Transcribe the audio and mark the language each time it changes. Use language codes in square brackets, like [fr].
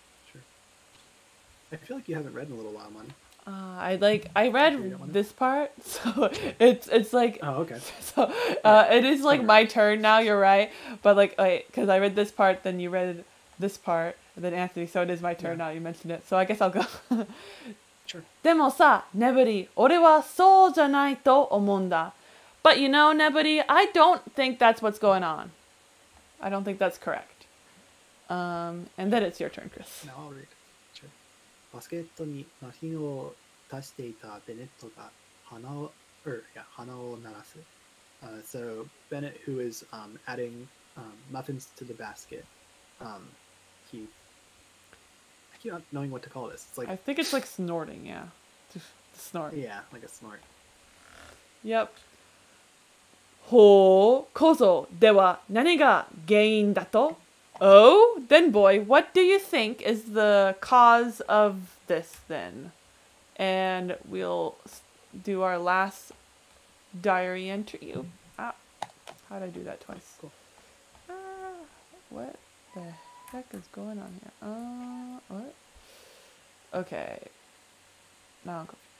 [en] Sure. I feel like you haven't read in a little while, Money. I read this part, so it's like, oh, okay. So it is like my turn now, you're right, but like, because I read this part, then you read this part, and then Anthony, so it is my turn now, you mentioned it, so I guess I'll go. Sure. [ja] でもさ、ネブリ、俺はそうじゃないと思うんだ。 [en] But you know, ネブリ、I don't think that's what's going on. I don't think that's correct. And then it's your turn, Chris. No, I'll read. [ja] バスケットにマフィンを出していたベネットが鼻を鳴らす。 [en] So Bennett, who is adding muffins to the basket, I keep not knowing what to call this. It's like, I think it's like snorting, yeah. Snort. Yeah, like a snort. Yep. [ja] ほうこそでは何が原因だと? [en] Oh, then boy, what do you think is the cause of this then? And we'll do our last diary entry. How did I do that twice? Cool. What the heck is going on here? What? Okay. Now I'm confused.